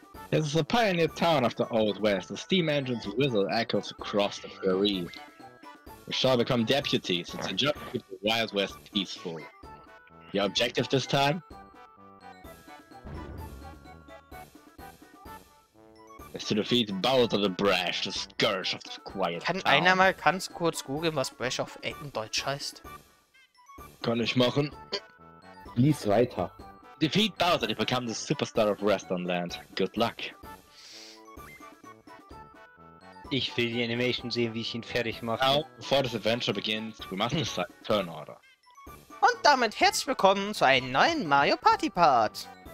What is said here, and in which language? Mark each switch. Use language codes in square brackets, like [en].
[en] This is a pioneer town of the Old West. The steam engine's whistle echoes across the prairie. We shall become deputies. It's a job to keep the Wild West peaceful. Your objective this time? Is to defeat Bowser the Brash, the scourge of this quiet town. [de] Kann einer mal ganz kurz googeln, was Brash auf Eckendeutsch heißt? Kann ich machen. Lies weiter. [en] Defeat Bowser to become the superstar of Western Land. Good luck. [de] Ich will die Animation sehen, wie ich ihn fertig mache. [en] Now, before this adventure begins, we must decide turn order. [de] Und damit herzlich willkommen zu einem neuen Mario Party Part.